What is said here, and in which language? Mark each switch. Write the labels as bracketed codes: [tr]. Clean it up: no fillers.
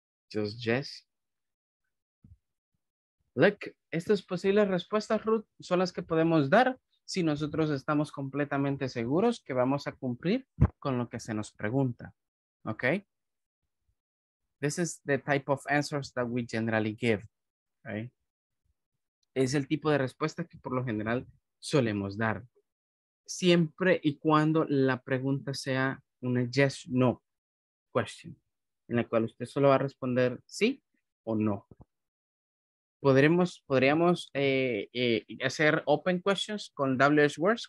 [en] Just yes. [es] Look, estas posibles respuestas, Ruth, son las que podemos dar si nosotros estamos completamente seguros que vamos a cumplir con lo que se nos pregunta. [en] Okay? This is the type of answers that we generally give. Okay? [es] Es el tipo de respuesta que por lo general solemos dar. Siempre y cuando la pregunta sea una [en] yes, no question, [es] en la cual usted solo va a responder sí o no. ¿Podríamos hacer [en] open questions [es] con WH words?